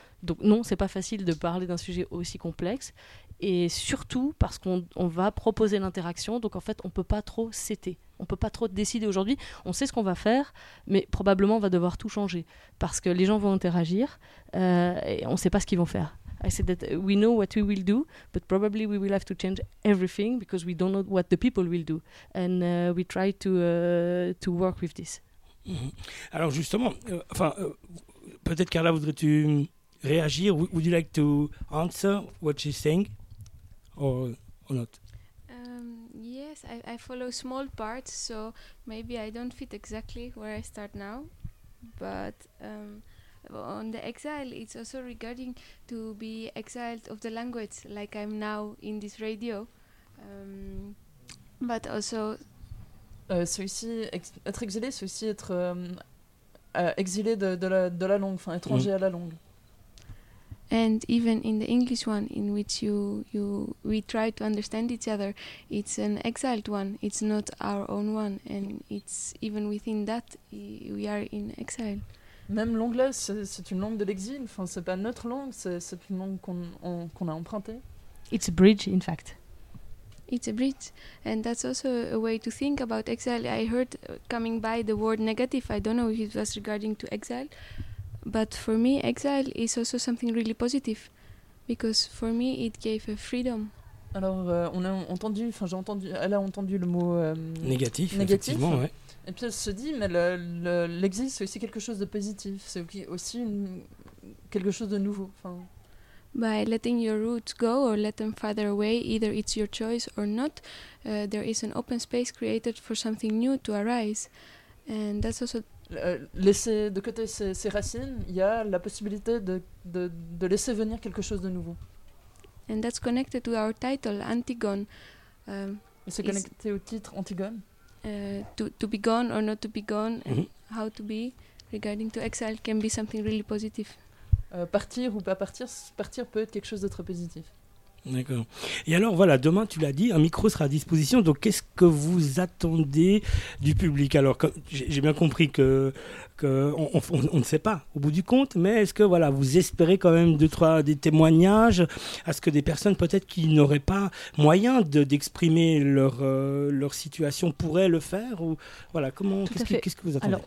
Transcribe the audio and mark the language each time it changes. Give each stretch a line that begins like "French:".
French: Donc non, c'est pas facile de parler d'un sujet aussi complexe, et surtout parce qu'on va proposer l'interaction, donc en fait on peut pas trop céder, on peut pas trop décider aujourd'hui, on sait ce qu'on va faire, mais probablement on va devoir tout changer, parce que les gens vont interagir, et on sait pas ce qu'ils vont faire.
English: I said that we know what we will do, but probably we will have to change everything, because we don't know what the people will do, and we try to work with this.
French: Alors justement, peut-être Carla, voudrais-tu réagir?
English: Would you like to answer what she's saying, or not? Yes, I follow small parts, so maybe I don't fit exactly where I start now. But on the exile, it's also regarding to be exiled of the language, like I'm now in this radio. But also,
French: c'est aussi être exilé, c'est aussi être exilé de la langue, enfin étranger à la langue.
English: And even in the English one, in which we try to understand each other, it's an exiled one. It's not our own one, and it's even within that we are in exile.
French: Même l'anglais, c'est une langue de l'exil. Enfin, c'est pas notre langue. C'est une langue qu'on a empruntée.
English: It's a bridge, in fact. It's a bridge, and that's also a way to think about exile. I heard coming by the word negative. I don't know if it was regarding to exile. But for me, exile is also something really positive, because for me, it gave a freedom.
French: Alors, elle a entendu le mot négatif. Effectivement, ouais. Et puis elle se dit, mais l'exil, c'est aussi quelque chose de positif. C'est aussi quelque chose de nouveau. Enfin.
English: By letting your roots go or let them farther away, either it's your choice or not, there is an open space created for something new to arise, and that's also.
French: Laisser de côté ses racines, il y a la possibilité de laisser venir quelque chose de nouveau.
English: And that's connected to our title, Antigone.
French: C'est connecté au titre Antigone.
English: To be gone or not to be gone, mm-hmm. How to be regarding to exile can be something really positive.
French: Partir ou pas partir, partir peut être quelque chose de très positif. D'accord. Et alors voilà, demain tu l'as dit, un micro sera à disposition. Donc qu'est-ce que vous attendez du public? Alors j'ai bien compris qu'on ne sait pas au bout du compte, mais est-ce que voilà, vous espérez quand même deux trois des témoignages, à ce que des personnes peut-être qui n'auraient pas moyen d'exprimer leur situation pourraient le faire, ou voilà, comment, qu'est-ce que vous attendez?